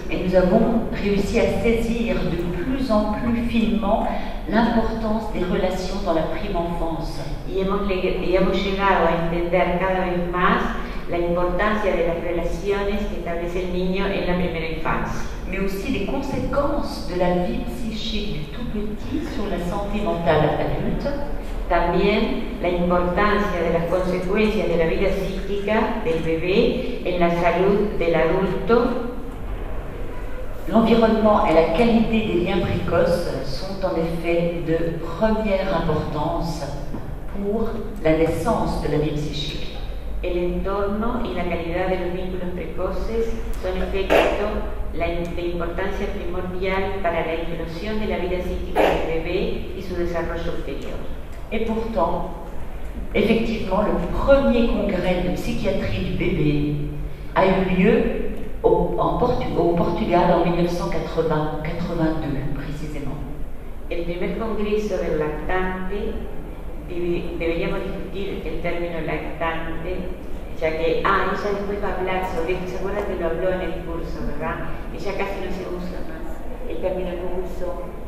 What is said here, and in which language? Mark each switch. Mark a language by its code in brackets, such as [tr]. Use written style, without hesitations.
[fr] Et nous avons réussi à saisir de plus en plus finement l'importance des relations dans la prime enfance. [es] Y hemos llegado a entender cada vez más la importancia de las relaciones que establece el niño en la primera infancia. [fr] Mais aussi les conséquences de la vie psychique du tout petit sur la santé mentale adulte. [es] También la importancia de las consecuencias de la vida psíquica del bebé en la salud del adulto. [fr] L'environnement et la qualité des liens précoces sont en effet de première importance pour la naissance de la vie psychique. [es] El entorno y la calidad de los vínculos precoces son efecto de importancia primordial para la inclusión de la vida psíquica del bebé y su desarrollo posterior. [fr] Et pourtant, effectivement, le premier congrès de psychiatrie du bébé a eu lieu au Portugal en 1982, précisément. [es] El primer congreso del lactante, deberíamos discutir el término lactante, ya que, ella después va a hablar sobre esto, se acuerda que lo habló en el curso, ¿verdad? Ella casi no se usa más, el término no uso.